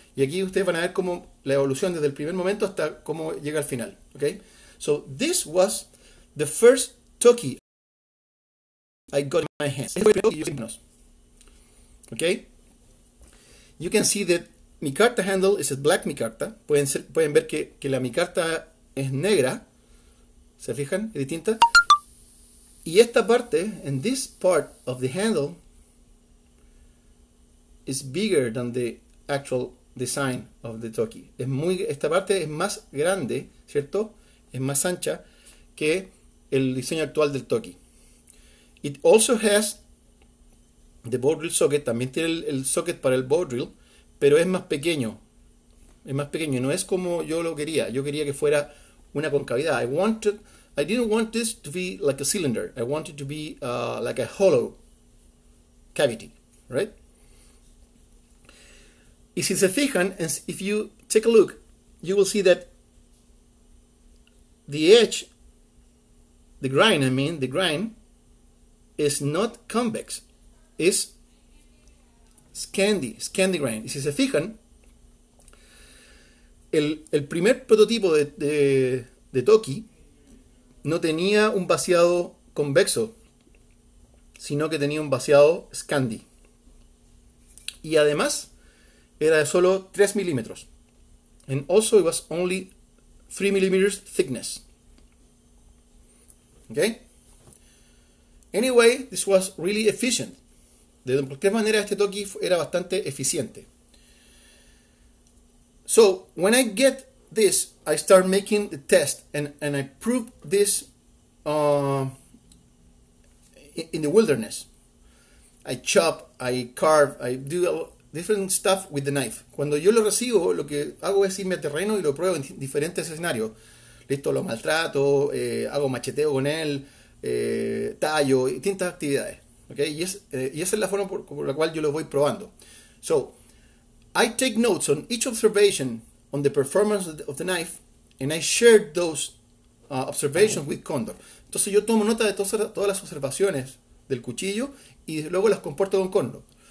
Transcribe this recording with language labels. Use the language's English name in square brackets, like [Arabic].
[Spanish] Y aquí ustedes van a ver cómo la evolución desde el primer momento hasta cómo llega al final, ¿okay? [English] So this was the first Toki I got in my hands. [Spanish] Este fue el primero que yo. [English] Okay. You can see that mi carta handle is a black mi carta. [Spanish] Pueden ver que la mi carta es negra. ¿Se fijan? Es distinta. Y esta parte, [English] and this part of the handle, is bigger than the actual design of the Toki. [Spanish] Esta parte es más grande, ¿cierto? Es más ancha que el diseño actual del Toki. [English] It also has the ball drill socket, [Spanish] también tiene el socket para el ball drill, pero es más pequeño. Es más pequeño, no es como yo lo quería. Yo quería que fuera una concavidad. [English] I didn't want this to be like a cylinder. I wanted to be like a hollow cavity, right? [Spanish] Y si se fijan, [English] if you take a look, you will see that the edge, the grind, is not convex, is scandi grind. [Spanish] Y si se fijan, el primer prototipo de Toki no tenía un vaciado convexo, sino que tenía un vaciado scandi. Y además, era de solo 3 milímetros. [English] And also, it was only 3 millimeters thickness. Okay. Anyway, this was really efficient. [Spanish] De cualquier manera, este Toki era bastante eficiente. [English] So, when I get this, I start making the test and I prove this in the wilderness. I chop, I carve, I do different stuff with the knife. [Spanish] Cuando yo lo recibo, lo que hago es irme a terreno y lo pruebo en diferentes escenarios. Listo, lo maltrato, hago macheteo con él, tallo, distintas actividades. Okay? Y esa es la forma por la cual yo lo voy probando. [English] So, I take notes on each observation on the performance of the knife and I share those observations with Condor. [Spanish] Entonces yo tomo nota de todas las observaciones del cuchillo y luego las comparto con Condor.